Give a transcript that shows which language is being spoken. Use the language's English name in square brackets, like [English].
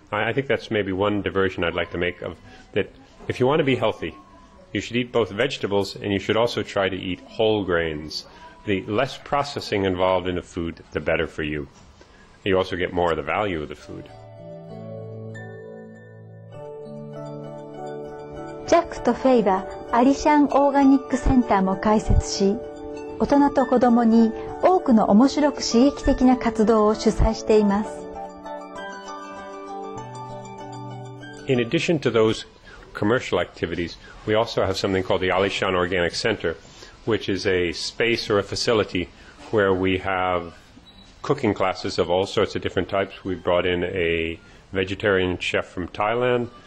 [English] I think that's maybe one diversion I'd like to make of that. If you want to be healthy, you should eat both vegetables and you should also try to eat whole grains. The less processing involved in the food, the better for you. You also get more of the value of the food. [Japanese] ジャックとフェイはアリシャンオーガニックセンターも開設し、大人と子どもに多くの面白く刺激的な活動を主催しています。 [English] In addition to those commercial activities, we also have something called the Ali Shan Organic Center, which is a space or a facility where we have cooking classes of all sorts of different types. We brought in a vegetarian chef from Thailand.